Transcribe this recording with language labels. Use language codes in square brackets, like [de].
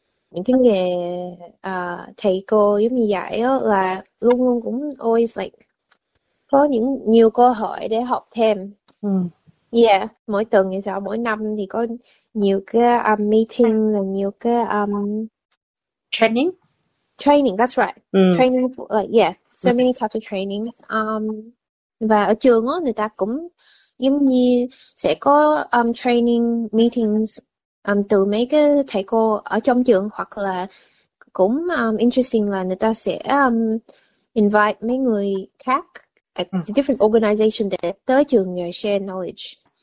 [vi] Những cái nghề thầy cô giống như dạy đó là luôn luôn cũng [en] always like [vi] có những nhiều cơ hội để học thêm. Mỗi tuần thì sao, mỗi năm thì có nhiều cái meeting, là nhiều cái [en] Training. training, that's right. Training, like, so many types of training. [vi] Và ở trường đó, người ta cũng giống như sẽ có [en] training meetings [vi] từ mấy cái thầy cô ở trong trường, hoặc là cũng interesting là người ta sẽ invite mấy người khác [en] at different organization [vi] để tới trường nhờ [en] share knowledge.